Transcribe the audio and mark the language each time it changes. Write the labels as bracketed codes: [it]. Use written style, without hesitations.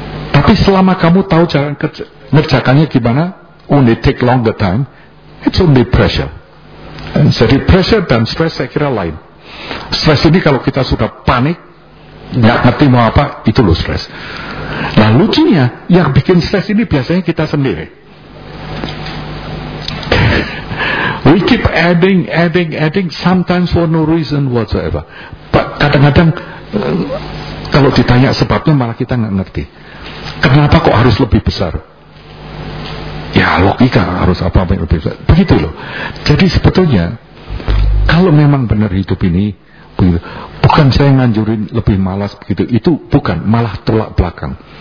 [id] Tapi selama kamu tahu cara ngerjakannya gimana, [en] only take longer time, it's only pressure. And [id] jadi pressure dan stress saya kira lain. Stress ini kalau kita sudah panik, nggak ngerti mau apa, itu loh stress. Nah lucunya, yang bikin stress ini biasanya kita sendiri. [en] We keep adding, sometimes for no reason whatsoever. [id] Kadang-kadang, kalau ditanya sebabnya malah kita nggak ngerti. Kenapa kok harus lebih besar? Ya logika harus apa-apa yang lebih besar. Begitu loh. Jadi sebetulnya, kalau memang benar hidup ini, begitu. Bukan saya nganjurin lebih malas begitu, itu bukan, malah tolak belakang.